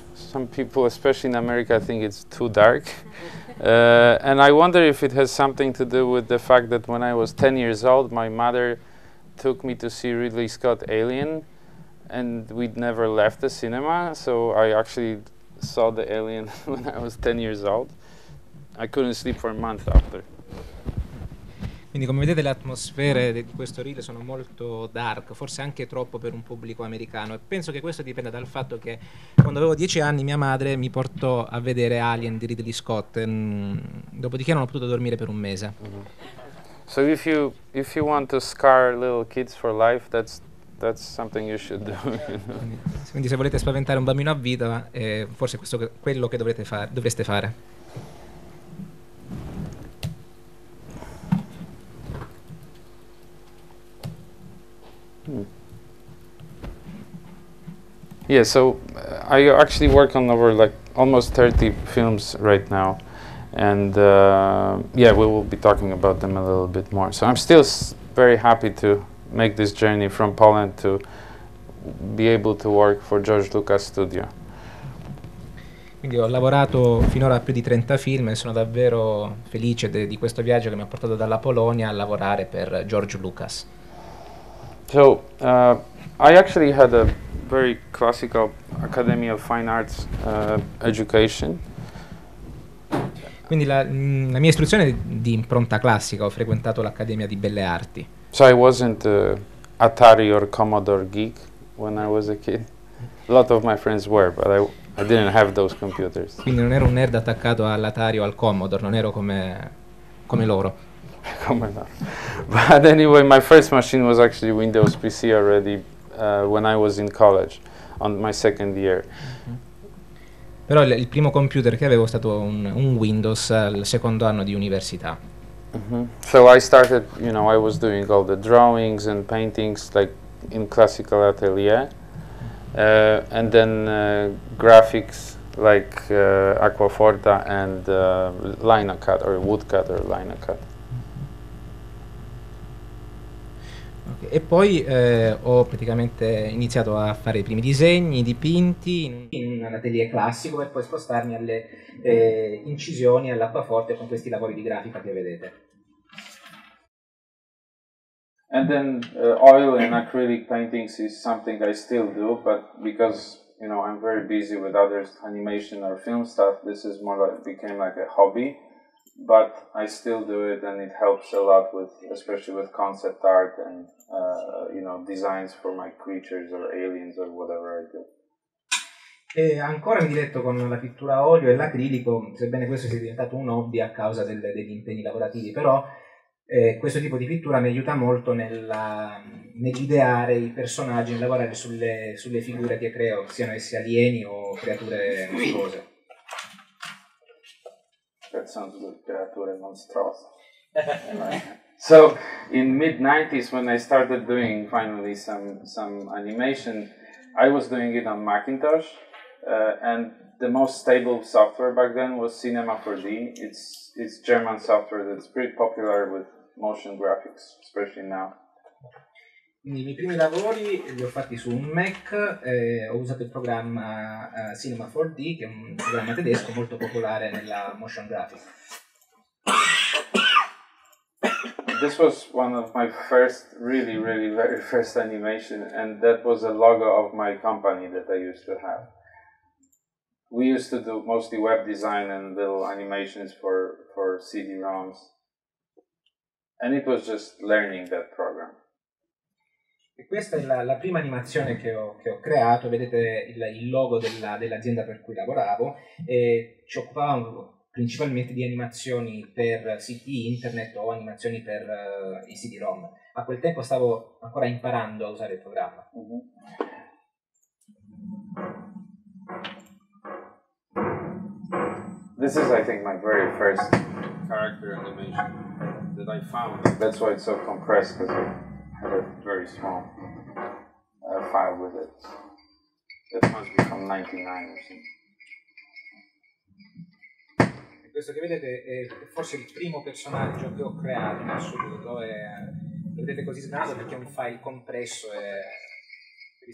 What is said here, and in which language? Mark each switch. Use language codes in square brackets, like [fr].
[en] Some people, especially in America, think it's too dark. And I wonder if it has something to do with the fact that when I was 10 years old, my mother took me to see Ridley Scott Alien, and we'd never left the cinema, so I actually saw the Alien when I was 10 years old. I couldn't sleep for a month after. [it] Quindi, come vedete, le atmosfere di questo reel sono molto dark, forse anche troppo per un pubblico americano. E penso che questo dipenda dal fatto che quando avevo 10 anni mia madre mi portò a vedere Alien di Ridley Scott. Dopodiché non ho potuto dormire per un mese. Mm-hmm. [en] So if you want to scar little kids for life, that's something you should do. You know? [it] Quindi se volete spaventare un bambino a vita, forse questo è quello che dovreste fare. [en] Hmm. Yeah, so I actually work on over like almost 30 films right now, and yeah, we will be talking about them a little bit more. So I'm still very happy to make this journey from Poland to be able to work for George Lucas Studio. [it] Quindi ho lavorato finora a più di 30 film e sono davvero felice di questo viaggio che mi ha portato dalla Polonia a lavorare per George Lucas. [en] So, I actually had a very classical Academy of Fine Arts education. [it] Quindi la mia istruzione di impronta classica, ho frequentato l'Accademia di Belle Arti. [en] So I wasn't Atari or Commodore geek when I was a kid. A lot of my friends were, but I didn't have those computers. [it] Quindi non ero un nerd attaccato all'Atari o al Commodore, non ero come loro. [en] Come on. But anyway, my first machine was actually Windows PC already when I was in college, on my second year. Mm-hmm. [it] Però il primo computer che avevo stato un Windows al secondo anno di università. Mm-hmm. [en] So I started, you know, I was doing all the drawings and paintings like in classical atelier, and then graphics like Aquaforta and Linocut or Woodcut or Linocut. [it] E poi ho praticamente iniziato a fare i primi disegni, i dipinti in un atelier classico per poi spostarmi alle incisioni, all'acquaforte con questi lavori di grafica che vedete. [en] And then oil and acrylic paintings is something I still do, but because, you know, I'm very busy with other animation or film stuff, this is more like became like a hobby. But I still do it, and it helps a lot with, especially with concept art and you know, designs for my creatures or aliens or whatever I do. [it] E ancora mi diletto con la pittura a olio e l'acrilico, sebbene questo sia diventato un hobby a causa degli impegni lavorativi. Però questo tipo di pittura mi aiuta molto nell'ideare i personaggi, nel lavorare sulle figure che creo, siano essi alieni o creature mostruose. [en] That sounds like creature monstrous. So, in mid-90s, when I started doing finally some animation, I was doing it on Macintosh, and the most stable software back then was Cinema 4D. It's German software that's pretty popular with motion graphics, especially now. [it] I miei primi lavori li ho fatti su un Mac, ho usato il programma Cinema 4D, che è un programma tedesco molto popolare nella motion graphic. [en] This was one of my first, really, really very first animation, and that was a logo of my company that I used to have. We used to do mostly web design and little animations for CD-ROMs, and it was just learning that program. [it] E questa è la prima animazione che ho creato. Vedete il logo dell'azienda per cui lavoravo, e ci occupavamo principalmente di animazioni per siti internet o animazioni per i CD-ROM. A quel tempo stavo ancora imparando a usare il programma. Mm-hmm. [en] This is, I think, my very first character animation that I found. That's why it's so compressed, because a very small file with it. That must be from 99 or something. [it] Questo che vedete è forse il primo personaggio che ho creato in assoluto. Vedete così snato perché è un file compresso e